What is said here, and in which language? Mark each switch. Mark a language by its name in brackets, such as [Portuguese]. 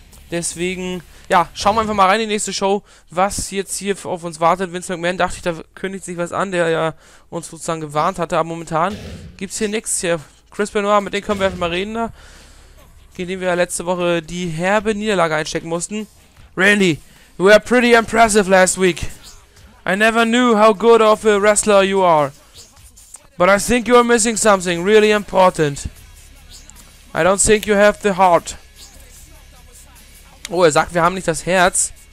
[German] Deswegen, ja, schauen wir einfach mal rein in die nächste Show, was jetzt hier auf uns wartet. Vince McMahon, dachte ich, da kündigt sich was an, der ja uns sozusagen gewarnt hatte. Aber momentan gibt es hier nichts. Hier, Chris Benoit, mit dem können wir einfach mal reden da. Gegen den wir ja letzte Woche die herbe Niederlage einstecken mussten. [English] Randy, you were pretty impressive last week. I never knew how good of a wrestler you are. But I think you are missing something really important. I don't think you have the heart. [German] Oh, er sagt, wir haben nicht das Herz.